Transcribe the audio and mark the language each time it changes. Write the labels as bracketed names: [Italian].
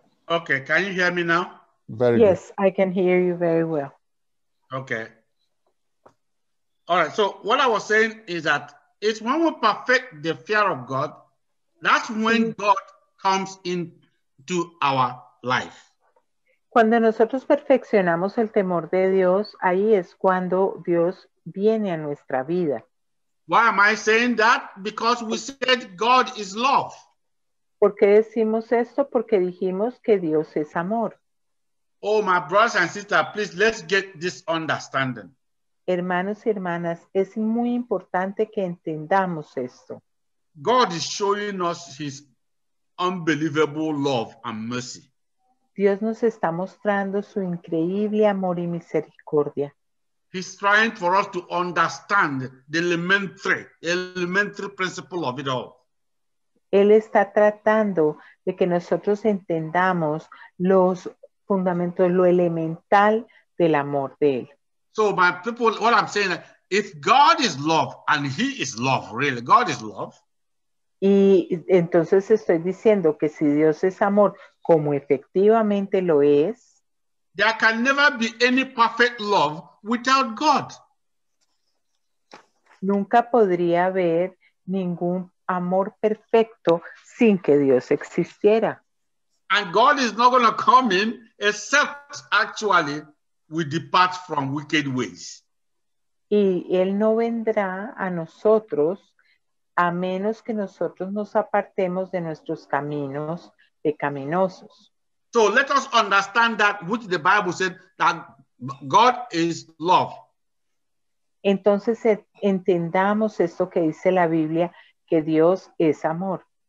[English] Okay, can you hear me now? Very good. I can hear you very well. Okay. All right, so what I was saying is that it's when we perfect the fear of God, that's when God comes into our life. [Spanish] Cuando nosotros perfeccionamos el temor de Dios, ahí es cuando Dios viene a nuestra vida. [English] Why am I saying that? Because we said God is love. [Spanish] ¿Por qué decimos esto? Porque dijimos que Dios es amor. [English] Oh, my brothers and sisters, please, let's get this understanding. [Spanish] Hermanos y hermanas, es muy importante que entendamos esto. [English] God is showing us his unbelievable love and mercy. [Spanish] Dios nos está mostrando su increíble amor y misericordia. [English] He's trying for us to understand the elementary principle of it all. [Spanish] Él está tratando de que nosotros entendamos los fundamentos, lo elemental del amor de él. [English] So my people, what I'm saying, if God is love and he is love, really, God is love. [Spanish] Y entonces estoy diciendo que si Dios es amor, como efectivamente lo es. [English] There can never be any perfect love without God. [Spanish] Nunca podría haber ningún amor perfecto sin que Dios existiera. [English] And God is not going to come in except actually we depart from wicked ways. [Spanish] Y él no vendrá a nosotros a menos que nosotros nos apartemos de nuestros caminos pecaminosos. [English] So let us understand that which the Bible said, that God is love. [Spanish] Entonces entendamos esto que dice la Biblia, que Dios es amor.